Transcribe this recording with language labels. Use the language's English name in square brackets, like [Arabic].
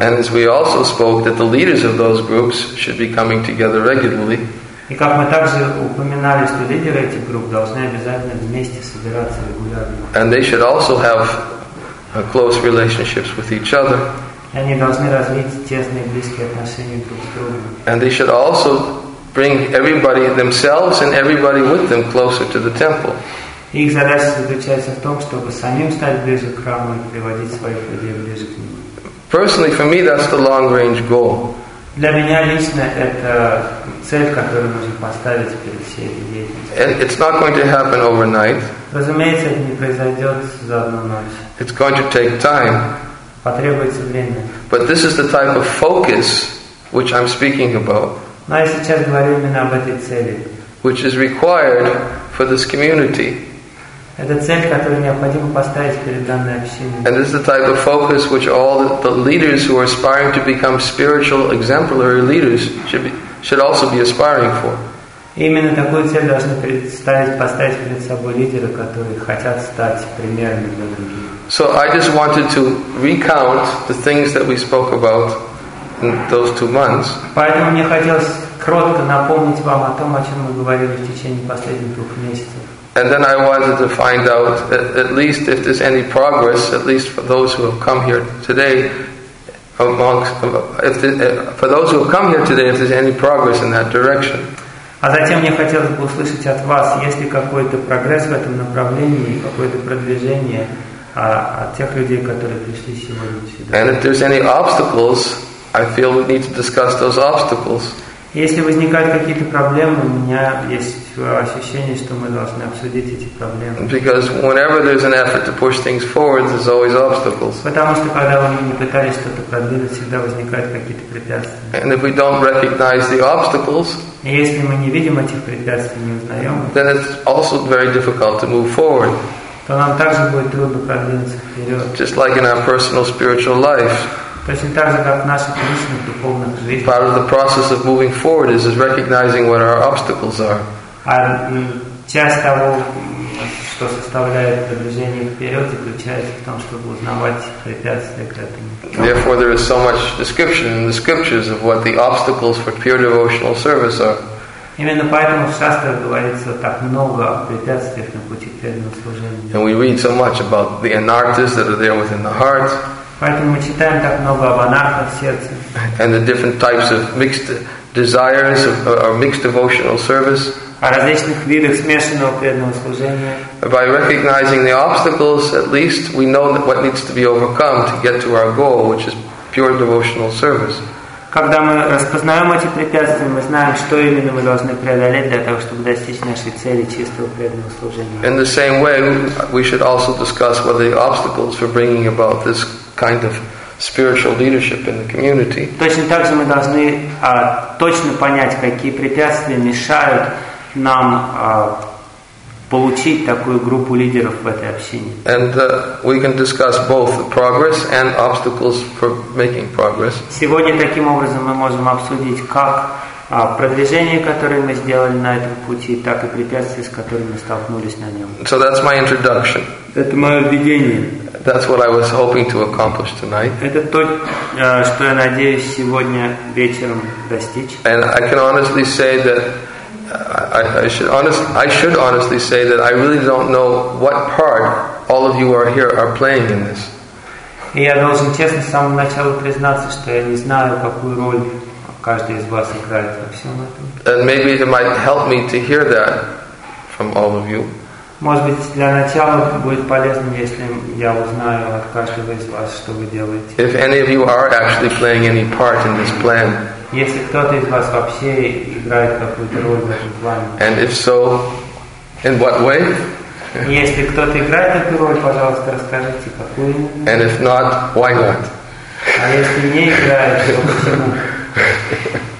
[English] And as we also spoke, that the leaders of those groups should be coming together regularly. [Russian] И как мы также упоминали, что лидеры этих групп должны обязательно вместе собираться регулярно. [English] And they should also have close relationships with each other. [Russian] И они должны развить тесные близкие отношения друг с другом. [English] And they should also bring everybody themselves and everybody with them closer to the temple. [Russian] И их задача заключается в том, чтобы самим стать ближе к храму и приводить своих людей ближе к нему. [English] Personally, for me, that's the long-range goal. [Russian] Для меня лично это цель, которую нужно поставить перед всей деятельностью. [English] It's not going to happen overnight. [Russian] Разумеется, это не произойдет за одну ночь. [English] It's going to take time. [Russian] Потребуется время. [English] But this is the type of focus which I'm speaking about. [Russian] Но я сейчас говорю именно об этой цели. [English] Which is required for this community. [Russian] Это цель, которую необходимо поставить перед данной общиной. [English] And this is the type of focus which all the leaders who are aspiring to become spiritual exemplary leaders should also be aspiring for. [Russian] Именно такую цель должны поставить перед собой лидеры, которые хотят стать примерами для других. [English] So I just wanted to recount the things that we spoke about in those 2 months. [Russian] Поэтому мне хотелось кратко напомнить вам о том, о чем мы говорили в течение последних 2 месяцев. [English] And then I wanted to find out at least if there's any progress, at least for those who have come here today, if there's any progress in that direction. [Russian] А затем мне хотелось бы услышать от вас, есть ли какой-то прогресс в этом направлении, какое-то продвижение от тех людей, которые пришли сегодня сюда. [English] And if there's any obstacles, I feel we need to discuss those obstacles. [Russian] Если возникают какие-то проблемы, у меня есть ощущение, что мы должны обсудить эти проблемы. [English] Because whenever there's an effort to push things forward, there's always obstacles. [Russian] Потому что когда мы не пытались что-то продвинуть, всегда возникают какие-то препятствия. [English] And if we don't recognize the obstacles, [Russian] если мы не видим этих препятствий, не узнаем, [English] then it's also very difficult to move forward. [Russian] То нам также будет трудно продвинуться вперед. [English] Just like in our personal spiritual life. Part of the process of moving forward is recognizing what our obstacles are. [Russian] Часть того, что составляет движение вперед, заключается в том, чтобы узнавать препятствия к этому. [English] Therefore, there is so much description in the scriptures of what the obstacles for pure devotional service are. [Russian] Именно поэтому в шастрах говорится так много о препятствиях на пути к преданному служению. [English] And we read so much about the anarthas that are there within the heart. [Russian] Поэтому мы читаем так много об анархах в сердце. [English] And the different types of mixed desires or mixed devotional service. [Russian] О различных видах смешанного преданного служения. [English] By recognizing the obstacles, at least we know what needs to be overcome to get to our goal, which is pure devotional service. [Russian] Когда мы распознаем эти препятствия, мы знаем, что именно мы должны преодолеть для того, чтобы достичь нашей цели чистого преданного служения. [English] In the same way, we should also discuss what are the obstacles for bringing about this kind of spiritual leadership in the community. [Russian] Точно так же мы должны точно понять, какие препятствия мешают нам получить такую группу лидеров в этой общине. [English] And we can discuss both the progress and obstacles for making progress. [Russian] Сегодня таким образом мы можем обсудить как продвижение, которое мы сделали на этом пути, так и препятствия, с которыми мы столкнулись на нем. [English] So that's my introduction. [Russian] Это мое введение. [English] That's what I was hoping to accomplish tonight. [Russian] Это то, что я надеюсь сегодня вечером достичь. [English] And I can honestly say that I should honestly say that I really don't know what part all of you are here are playing in this. [Russian] И я должен честно с самого начала признаться, что я не знаю, какую роль каждый из вас играет во всем этом. [English] And maybe it might help me to hear that from all of you. [Russian] Может быть, для начала будет полезным, если я узнаю от каждого из вас, что вы делаете. [English] If any of you are actually playing any part in this plan. [Russian] Если кто-то из вас вообще играет какую-то роль в этом плане. [English] And if so, in what way? [Russian] Если кто-то играет эту роль, пожалуйста, расскажите, какую. [English] And if not, why not? [Russian] А если не играет, то почему?